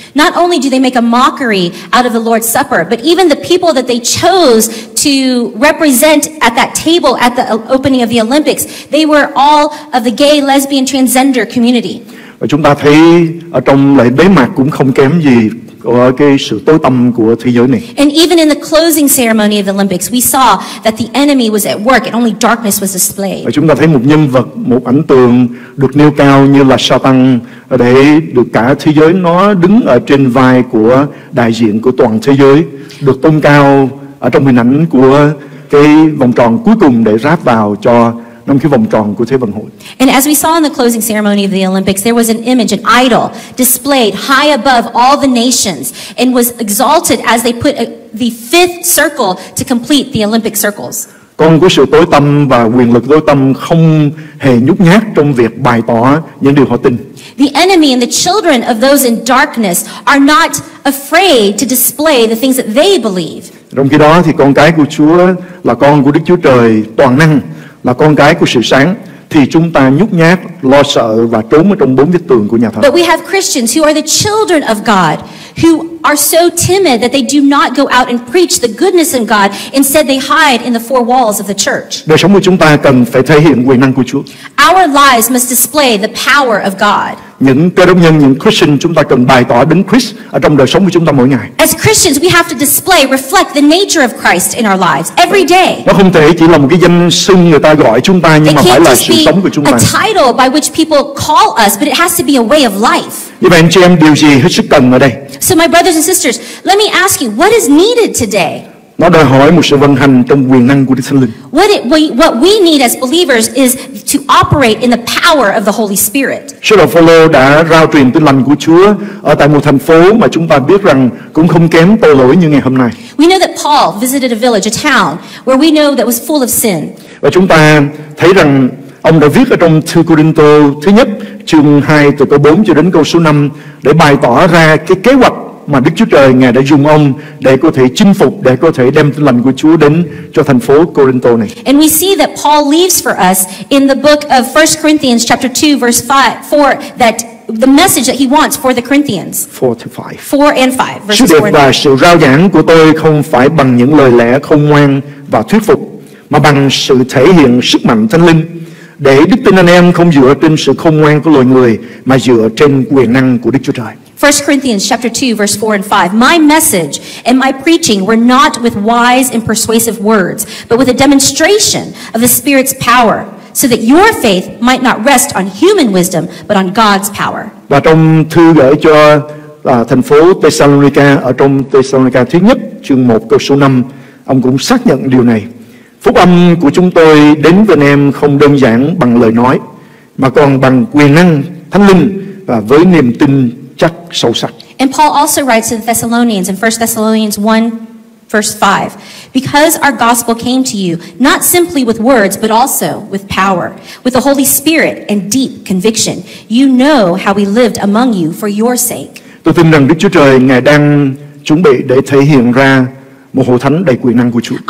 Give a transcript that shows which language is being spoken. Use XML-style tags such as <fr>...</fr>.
<en>Not only do they make a mockery out of the Lord's Supper, but even the people that they chose to represent at that table at the opening of the Olympics, they were all of the gay, lesbian, transgender community.</en> <vi>Và chúng ta thấy ở trong lễ bế mạc cũng không kém gì của cái sự tối tăm của thế giới này.</vi> <en>And even in the closing ceremony of the Olympics, we saw that the enemy was at work and only darkness was displayed.</en> <vi>Và chúng ta thấy một nhân vật, một ảnh tượng được nêu cao như là Satan để được cả thế giới nó đứng ở trên vai của đại diện của toàn thế giới, được tôn cao ở trong hình ảnh của cái vòng tròn cuối cùng để ráp vào cho trong cái vòng tròn của Thế vận hội.</vi> <en>And as we saw in the closing ceremony of the Olympics, there was an image, an idol, displayed high above all the nations and was exalted as they put the fifth circle to complete the Olympic circles.</en> <vi>Con của sự tối tâm và quyền lực tối tâm không hề nhút nhát trong việc bày tỏ những điều họ tin.</vi> <en>The enemy and the children of those in darkness are not afraid to display the things that they believe.</en> <vi>Trong khi đó thì con cái của Chúa là con của Đức Chúa Trời toàn năng, là con cái của sự sáng, thì chúng ta nhút nhát, lo sợ và trốn ở trong bốn vách tường của nhà thờ.</vi> <en>But we have Christians who are the children of God, who are so timid that they do not go out and preach the goodness in God. Instead, they hide in the four walls of the church.</en> <vi>Đời sống của chúng ta cần phải thể hiện quyền năng của Chúa.</vi> <en>Our lives must display the power of God.</en> <vi>Những cơ đốc nhân, những Christian, chúng ta cần bày tỏ đấng Christ ở trong đời sống của chúng ta mỗi ngày.</vi> <en>As Christians, we have to display, reflect the nature of Christ in our lives every day.</en> <vi>Nó không thể chỉ là một cái danh xưng người ta gọi chúng ta, nhưng mà phải là sự sống của chúng ta.</vi> <en>It can't just be a title by which people call us, but it has to be a way of life.</en> <vi>Vậy anh chị em, điều gì hết sức cần ở đây?</vi> <en>So my brothers and sisters, let me ask you, what is needed today?</en> <vi>Nó đòi hỏi một sự vận hành trong quyền năng của Đức Thánh Linh.</vi> <en>What we need as believers is to operate in the power of the Holy Spirit.</en> <vi>Sứ đồ Phaolô đã rao truyền tin lành của Chúa ở tại một thành phố mà chúng ta biết rằng cũng không kém tội lỗi như ngày hôm nay.</vi> <en>We know that Paul visited a village, a town where we know that was full of sin.</en> <vi>Và chúng ta thấy rằng ông đã viết ở trong thư Côrintô thứ nhất chương 2 từ câu 4 cho đến câu số 5 để bày tỏ ra cái kế hoạch mà Đức Chúa Trời Ngài đã dùng ông để có thể chinh phục, để có thể đem tin lành của Chúa đến cho thành phố Côrintô này.</vi> <en>And we see that Paul leaves for us in the book of 1 Corinthians chapter 2 verse 4 that the message that he wants for the Corinthians. 4 and 5 verses 4 and 5.</en> <vi>Sự rao giảng của tôi không phải bằng những lời lẽ khôn ngoan và thuyết phục, mà bằng sự thể hiện sức mạnh Thánh Linh, để đức tin anh em không dựa trên sự khôn ngoan của loài người mà dựa trên quyền năng của Đức Chúa Trời.</vi> <en>1 Corinthians chapter 2 verse 4 and 5. My message and my preaching were not with wise and persuasive words, but with a demonstration of the Spirit's power, so that your faith might not rest on human wisdom, but on God's power.</en> <vi>Và trong thư gửi cho thành phố Thessalonica, ở trong Thessalonica thứ nhất chương 1 câu số 5, ông cũng xác nhận điều này. Phúc âm của chúng tôi đến với anh em không đơn giản bằng lời nói, mà còn bằng quyền năng Thánh Linh và với niềm tin chắc sâu sắc.</vi> <en>And Paul also writes to the Thessalonians in 1 Thessalonians 1 verse 5, because our gospel came to you not simply with words but also with power, with the Holy Spirit and deep conviction. You know how we lived among you for your sake.</en> <vi>Tôi tin rằng Đức Chúa Trời Ngài đang chuẩn bị để thể hiện ra một hội thánh đầy quyền năng của Chúa.</vi>